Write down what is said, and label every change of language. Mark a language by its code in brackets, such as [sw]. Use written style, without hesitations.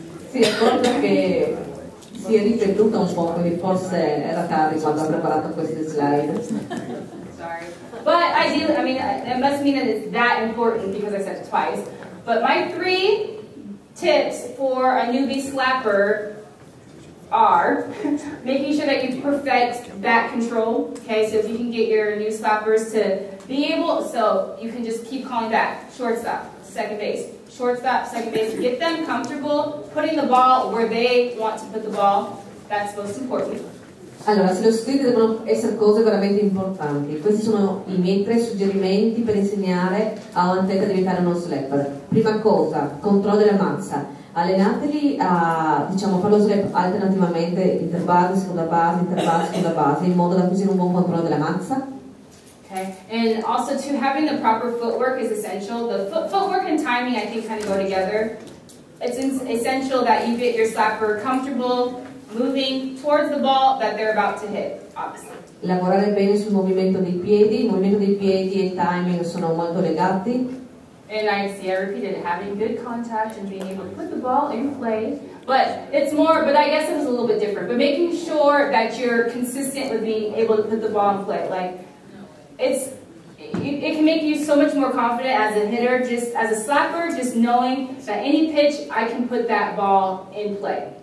[it] Sì, è proprio che si è ripetuta un po', quindi forse era tardi quando ha preparato queste slide. [en] But ideally, I mean, it must mean that it's that important because I said it twice. But my three tips for a newbie slapper are making sure that you perfect back control. Okay, so if you can get your new slappers to be able, so you can just keep calling back, shortstop, second base, shortstop, second base. Get them comfortable putting the ball where they want to put the ball. That's most important. [it] Allora, se lo scritto devono essere cose veramente importanti. Questi sono i miei tre suggerimenti per insegnare a un atleta a diventare uno slapper. Prima cosa, controllo della mazza. Allenateli a, diciamo, fare lo slap alternativamente, interbase, seconda base, in modo da acquisire un buon controllo della mazza. Okay. [en] And also to having the proper footwork is essential. The footwork and timing, I think, kind of go together. It's essential that you get your slapper comfortable moving towards the ball that they're about to hit, obviously. [it] Lavorare bene sul movimento dei piedi e il timing sono molto legati. [en] And I see, I repeated, having good contact and being able to put the ball in play. But it's more, but I guess it was a little bit different. But making sure that you're consistent with being able to put the ball in play. Like, it's, it can make you so much more confident as a hitter, just as a slapper, just knowing that any pitch, I can put that ball in play.